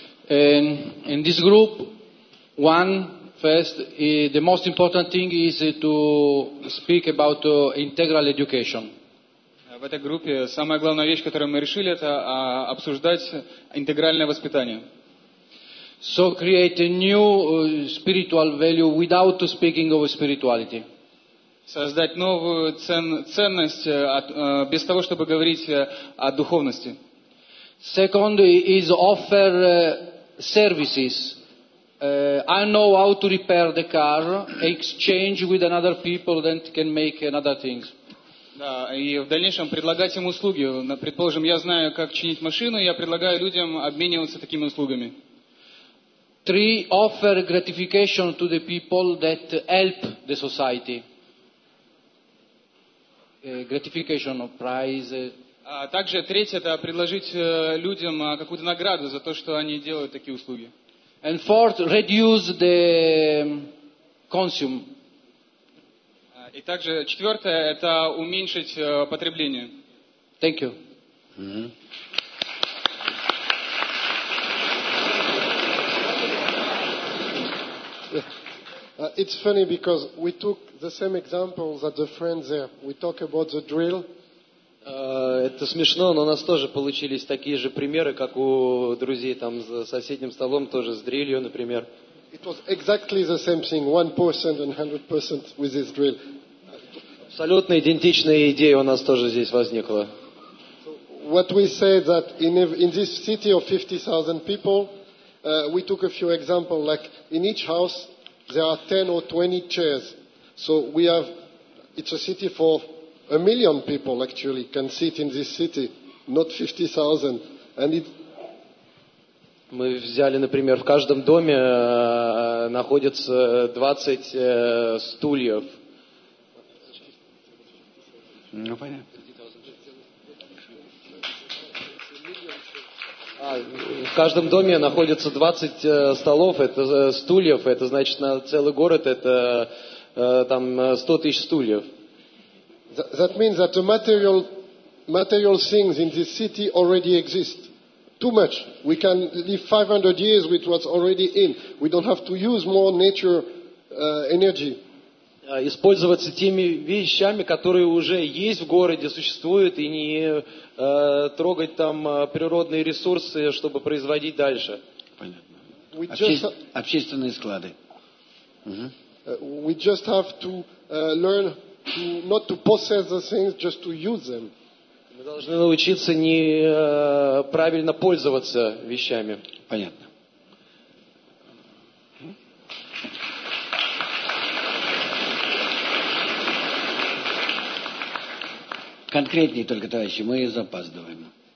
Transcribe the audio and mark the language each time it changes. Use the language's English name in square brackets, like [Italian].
[English] In this group, one first, the most important thing is to speak about integral education. [Russian] В этой группе самая главная вещь, которую мы решили, это обсуждать интегральное воспитание. [English] So create a new spiritual value without speaking of spirituality. [Russian] Создать новую ценность без того, чтобы говорить о духовности. [English] Second is offer services. I know how to repair the car, exchange with another people that can make another things. [Russian] Да, и в дальнейшем предлагать им услуги. Предположим, я знаю, как чинить машину, я предлагаю людям обмениваться такими услугами. [English] Three, offer gratification to the people that help the society. Gratification of prize. [Russian] А также третье, это предложить людям какую-то награду за то, что они делают такие услуги. [English] And fourth, reduce the consume. [Russian] И также четвертое – это уменьшить потребление. [English] Thank you. It's funny because we took the same example that the friends there. We talk about the drill. [Russian] Это смешно, но у нас тоже получились такие же примеры, как у друзей там за соседним столом, тоже с дрелью, например. [English] It was exactly the same thing, 1% and 100% with this drill. [Russian] Абсолютно идентичная идея у нас тоже здесь возникла. [English] What we say that in this city of 50,000 people, we took a few examples, like in each house there are 10 or 20 chairs. So we have, it's a city for a million people actually can sit in this city, not 50,000. And it... [Russian] Мы взяли, например, в каждом доме находится 20 стульев. Ну, понятно. В каждом доме находится 20 столов, это стульев, это значит на целый город это там 100 тысяч стульев. [English] That means that the material things in this city already exist. too much. We can live 500 years with what's already in. We don't have to use more nature energy. [Russian] Использоваться теми вещами, которые уже есть в городе, существуют, и не трогать там природные ресурсы, чтобы производить дальше. Понятно. Общественные склады. [English] We just have to learn to not to possess the things, just to use them. [Russian] Мы должны научиться не правильно пользоваться вещами. Понятно. Конкретнее только, товарищи, мы запаздываем.